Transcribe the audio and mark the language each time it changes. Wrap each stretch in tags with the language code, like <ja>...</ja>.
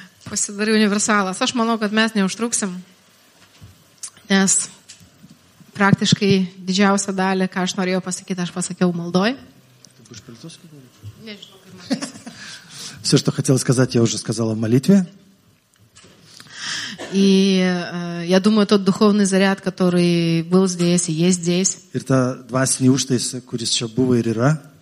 <lt>Pasidarė universalas. Aš manau, kad mes neužtruksim, nes praktiškai didžiausią dalį, ką aš norėjau pasakyti, aš pasakiau maldoj. Taip užpildus? Nežinau, kaip matysiu.</lt> <ru>Все, что хотел сказать, я уже сказала в молитве. И я думаю, тот духовный заряд, который был здесь и есть здесь.</ru> <lt>Ir ta dvasinė užtais, kuris čia buvo ir yra.</lt>